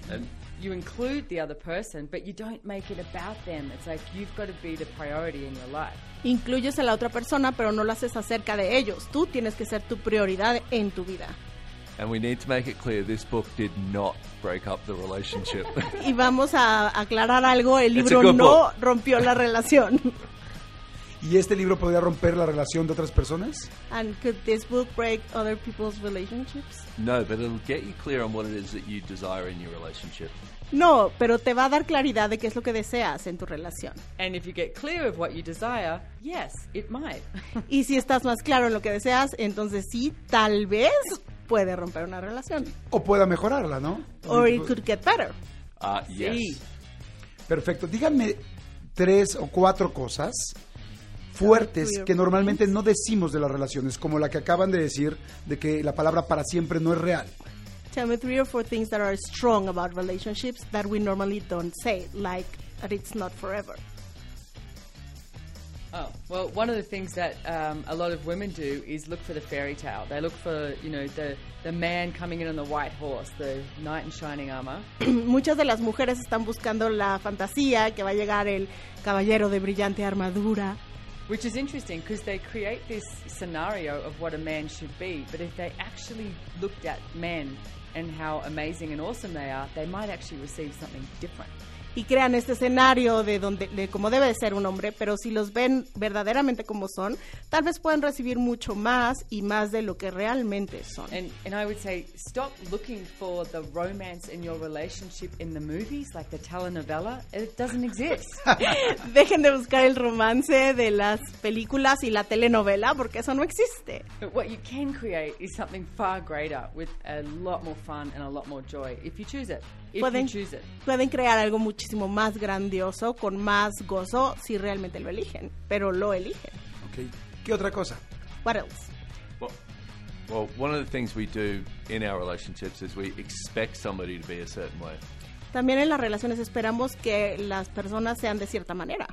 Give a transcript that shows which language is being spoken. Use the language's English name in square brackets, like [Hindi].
[English] And you include the other person, but you don't make it about them. It's like you've got to be the priority in your life. [Spanish] Incluyes a la otra persona, pero no lo haces acerca de ellos. Tú tienes que ser tu prioridad en tu vida. [English] And we need to make it clear this book did not break up the relationship. [Spanish] Y vamos a aclarar algo, el libro no rompió la relación. ¿Y este libro podría romper la relación de otras personas? [English] And could this book break other people's relationships? No, but it'll get you clear on what it is that you desire in your relationship. [Spanish] No, pero te va a dar claridad de qué es lo que deseas en tu relación. [English] And if you get clear of what you desire, yes, it might. [Spanish] Y si estás más claro en lo que deseas, entonces sí, tal vez puede romper una relación. O pueda mejorarla, ¿no? [English] Or it could get better. Yes. [Spanish] Sí. Perfecto. Díganme tres o cuatro cosas fuertes que normalmente no decimos de las relaciones, como la que acaban de decir, de que la palabra para siempre no es real. [English] Tell me three or four things that are strong about relationships that we normally don't say, like that it's not forever. Oh, well, one of the things that a lot of women do is look for the fairy tale. They look for, you know, the man coming in on the white horse, the knight in shining armor. [Spanish] Muchas de las mujeres están buscando la fantasía que va a llegar el caballero de brillante armadura. [English] Which is interesting because they create this scenario of what a man should be, but if they actually looked at men and how amazing and awesome they are, they might actually receive something different. [Spanish] Y crean este escenario de cómo debe de ser un hombre, pero si los ven verdaderamente como son, tal vez pueden recibir mucho más y más de lo que realmente son. [English] And I would say, stop looking for the romance in your relationship in the movies, like the telenovela. It doesn't exist. [Spanish] Dejen de buscar el romance de las películas y la telenovela, porque eso no existe. [English] But what you can create is something far greater with a lot more fun and a lot more joy, if you choose it. [Spanish] Pueden crear algo muchísimo más grandioso, con más gozo, si realmente lo eligen, pero lo eligen. Okay. ¿Qué otra cosa? [English] What else? Well, one of the things we do in our relationships is we expect somebody to be a certain way. [Spanish] También en las relaciones esperamos que las personas sean de cierta manera.